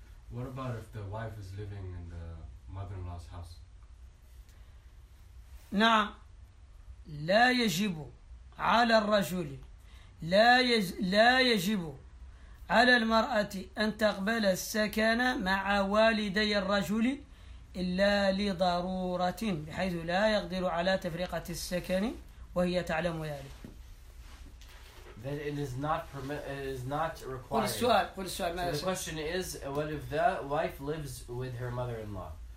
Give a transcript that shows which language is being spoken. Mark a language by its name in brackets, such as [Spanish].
[English] What about if the wife is living in the mother-in-law's house? Yes. [Arabic] لا يجب على الرجل لا يجب على المرأة أن تقبل السكن مع والدي الرجل إلا لضرورة بحيث لا يقدر على تفرقة السكن وهي تعلم ذلك. [English] That it is not permit, it is not required. [Arabic] قل السؤال. [English] So the question is, what if the wife lives with her mother-in-law?